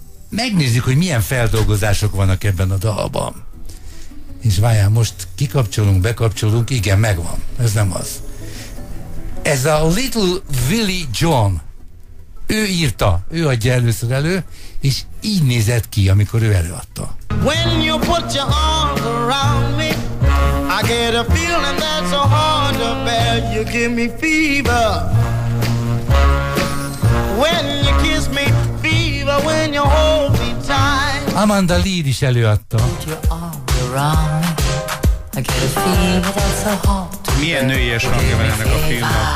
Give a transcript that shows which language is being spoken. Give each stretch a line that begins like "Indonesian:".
Hungarian: megnézzük, hogy milyen feldolgozások vannak ebben a dalban, és várjál, most kikapcsolunk, bekapcsolunk, igen, megvan, ez nem az, ez a Little Willie John, ő írta, ő adja először elő, és így nézett ki, amikor ő előadta.
English: When you put your arms around me, I get a feeling that's so hard to bear. You give me fever. When you kiss me, fever, when you hold me tight. Amanda Lear
Hungarian: is előadta.
English: Put your arms around me, I get a feeling that's so hard.
Hungarian: Milyen nőies hangja van ennek a filmnek.